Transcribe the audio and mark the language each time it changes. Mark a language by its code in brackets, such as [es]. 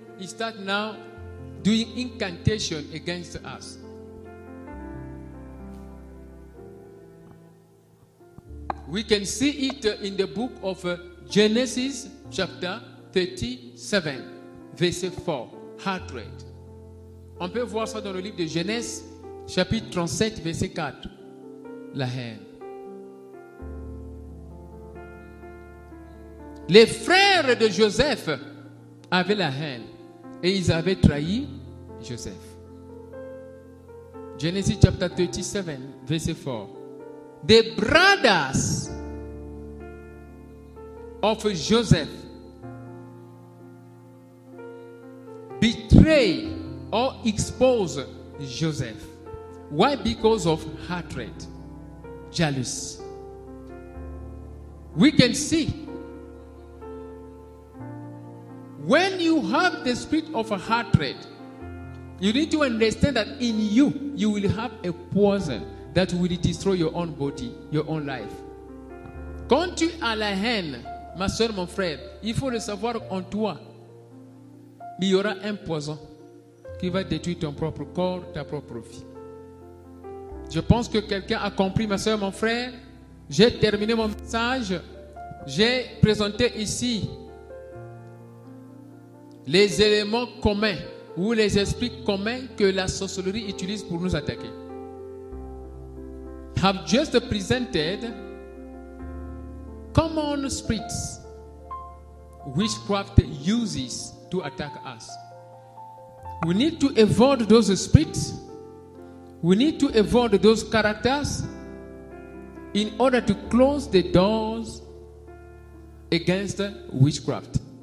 [en] He starts now doing incantation against us. We can see it in the book of Genesis chapter 37, verset 4, hatred. [fr] On peut voir ça dans le livre de Genèse, chapitre 37, verset 4, la haine. Les frères de Joseph avaient la haine et ils avaient trahi Joseph. [en] Genesis chapter 37, verset 4. The brothers of Joseph betray or expose Joseph. Why? Because of hatred, jealousy. We can see when you have the spirit of a hatred, you need to understand that in you, you will have a poison that will destroy your own body, your own life. [fr] Quand tu as la haine, ma soeur, mon frère, il faut le savoir en toi. Il y aura un poison qui va détruire ton propre corps, ta propre vie. Je pense que quelqu'un a compris, ma soeur, mon frère. J'ai terminé mon message. J'ai présenté ici les éléments communs ou les esprits communs que la sorcellerie utilise pour nous attaquer. [en] I have just presented common spirits witchcraft uses to attack us. We need to avoid those spirits. We need to avoid those characters in order to close the doors against witchcraft.